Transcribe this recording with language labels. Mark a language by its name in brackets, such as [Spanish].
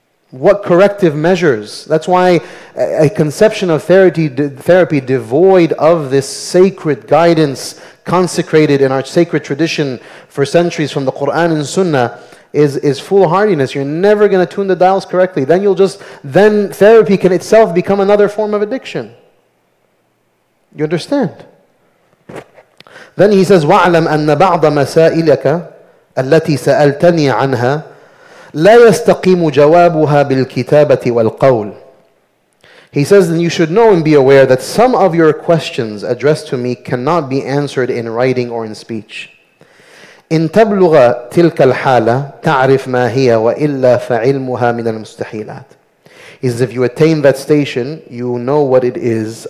[English] What corrective measures? That's why a conception of therapy devoid of this sacred guidance consecrated in our sacred tradition for centuries from the Quran and Sunnah is foolhardiness. You're never going to tune the dials correctly. Then therapy can itself become another form of addiction. You understand? Then he says, [Arabic] وَعْلَمْ أَنَّ بَعْضَ مَسَائِلَكَ الَّتِي سَأَلْتَنِي عَنْهَا لَا يَسْتَقِيمُ جَوَابُهَا بِالْكِتَابَةِ وَالْقَوْلِ. [English] He says, then you should know and be aware that some of your questions addressed to me cannot be answered in writing or in speech. [Arabic] إِن تَبْلُغَ تِلْكَ الْحَالَةِ تَعْرِفْ مَا هِيَ وَإِلَّا فَعِلْمُهَا مِنَ الْمُسْتَحِيلَاتِ. [English] Is if you attain that station, you know what it is.